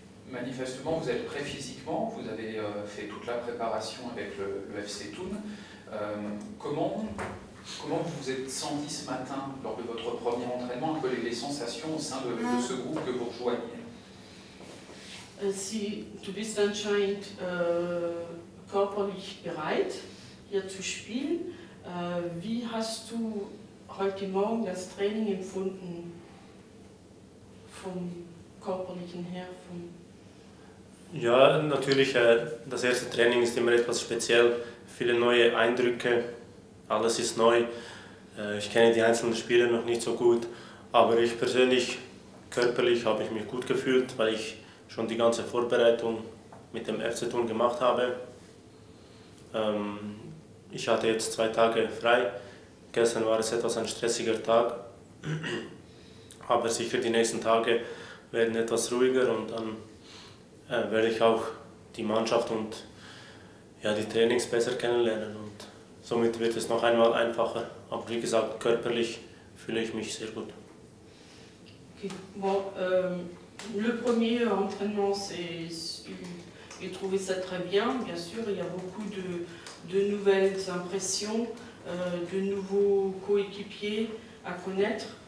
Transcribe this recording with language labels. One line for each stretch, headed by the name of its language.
French: Manifestement vous êtes prêt physiquement, vous avez fait toute la préparation avec le FC Thun. Comment vous vous êtes senti ce matin lors de votre premier entraînement, un peu les sensations au sein de ce groupe que vous rejoignez?
German: Si, tu es anscheinend körperlich bereit, hier zu spielen. Wie hast du heute Morgen das Training empfunden, vom körperlichen her? Ja, natürlich, das erste Training ist immer etwas speziell, viele neue Eindrücke. Alles ist neu. Ich kenne die einzelnen Spieler noch nicht so gut. Aber ich persönlich, körperlich, habe ich mich gut gefühlt, weil ich schon die ganze Vorbereitung mit dem FC Thun gemacht habe. Ich hatte jetzt 2 Tage frei. Gestern war es etwas ein stressiger Tag. Aber sicher die nächsten Tage werden etwas ruhiger und dann werde ich auch die Mannschaft und ja, die Trainings besser kennenlernen. Somit wird es noch einmal einfacher. Aber wie gesagt, körperlich fühle ich mich sehr gut. Okay.
French: Bon, le premier entraînement, j'ai trouvé ça très bien. Bien sûr, il y a beaucoup de nouvelles impressions, de nouveaux coéquipiers à connaître.